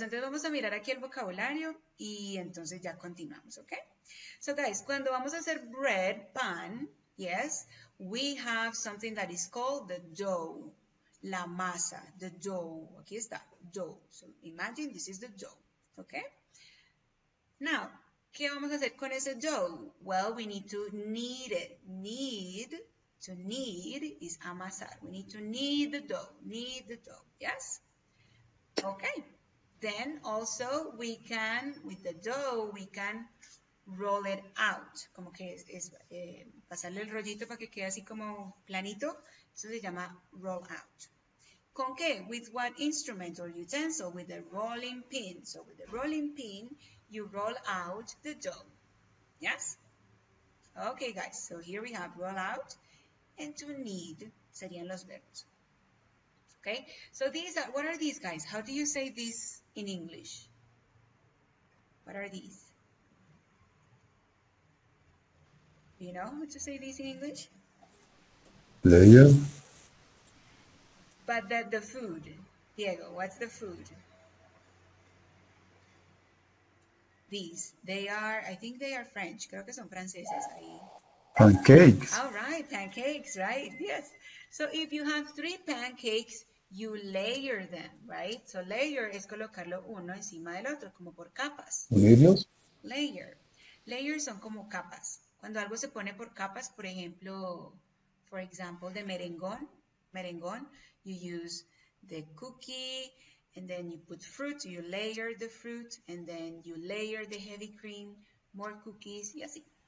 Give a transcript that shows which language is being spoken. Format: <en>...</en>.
<es>Entonces, vamos a mirar aquí el vocabulario y entonces ya continuamos, okay?</es> <en>So, guys,</en> <es>cuando vamos a hacer</es> <en>bread, pan, yes, we have something that is called the dough.</en> <es>La masa,</es> <en>the dough. Aquí está, dough. So, imagine this is the dough, okay?</en> <es>Now, ¿qué vamos a hacer con ese dough?</es> <en>Well, we need to knead it. Knead. To knead is amasar. We need to knead the dough. Knead the dough. Yes? Okay. Then also we can, with the dough, we can roll it out.</en> <es>Como que es pasarle el rollito para que quede así como planito. Eso se llama</es> <en>roll out.</en> <es>¿Con qué?</es> <en>With what instrument or utensil? With a rolling pin. So with the rolling pin, you roll out the dough. Yes? Okay, guys. So here we have roll out. And to knead</en> <es>serían los verbos.</es> <en>Okay? So these are, what are these, guys? How do you say this in English? What are these? Do you know how to say these in English? Layer. But the food. Diego, what's the food? These. They are, I think they are French.</en> <es>Creo que son franceses ahí.</es> <en>Pancakes. All right, pancakes, right? Yes. So if you have three pancakes, you layer them, right?</en> <es>So layer es colocarlo uno encima del otro, como por capas. ¿Unirlos?</es> <en>Layer. Layers</en> <es>son como capas. Cuando algo se pone por capas, por ejemplo,</es> <en>for example, the merengón, merengón, you use the cookie, and then you put fruit, you layer the fruit, and then you layer the heavy cream, more cookies,</en> <es>y así.</es>